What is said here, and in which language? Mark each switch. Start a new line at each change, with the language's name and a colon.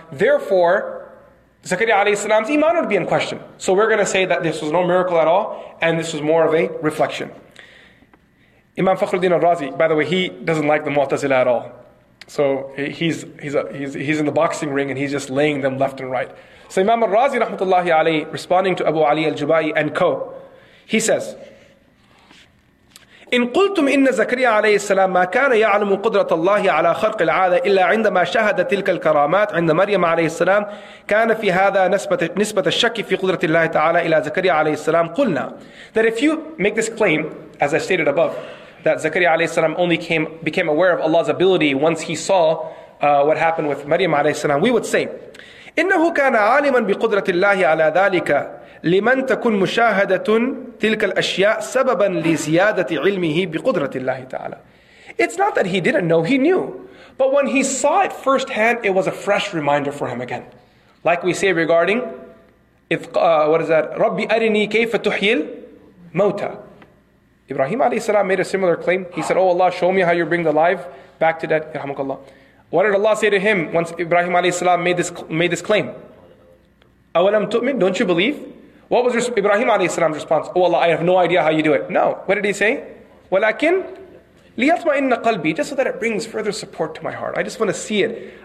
English: Therefore, Zakaria alayhi salam's iman would be in question. So we're going to say that this was no miracle at all, and this was more of a reflection. Imam Fakhruddin al-Razi, by the way, he doesn't like the Mu'tazila at all. So he's in the boxing ring, and he's just laying them left and right. So Imam al-Razi rahmatullahi alayhi, responding to Abu Ali al-Jubai and co, he says,
Arabic: إن قلتم إن زكريا عليه السلام ما كان يعلم قدرة الله على خلق العادة إلا عندما شهد تلك الكرامات عند مريم عليه السلام كان في هذا نسبة الشك في قدرة الله تعالى إلى زكريا عليه السلام قلنا.
English: That if you make this claim, as I stated above, that Zakaria عليه السلام only became aware of Allah's ability once he saw what happened with Maryam عليه السلام, we would say,
Arabic: إنه كان عالما بقدرة الله على ذلك لمن تكون مشاهدة تلك الأشياء سببا لزيادة علمه بقدرة الله تعالى.
English: It's not that he didn't know, he knew. But when he saw it firsthand, it was a fresh reminder for him again. Like we say regarding,
Arabic: ربي أرني كيف تحيي الموتى.
English: Ibrahim عليه السلام made a similar claim. He said, oh Allah, show me how you bring the life back to death.
Arabic: يرحمك الله.
English: What did Allah say to him once Ibrahim عليه السلام made this claim?
Arabic: أولم تؤمن,
English: don't you believe? What was Ibrahim alayhi's response? Oh Allah, I have no idea how you do it. No. What did he say?
Arabic: وَلَكِنْ لِيَطْمَئِنَّ قَلْبِي,
English: just so that it brings further support to my heart. I just want to see it.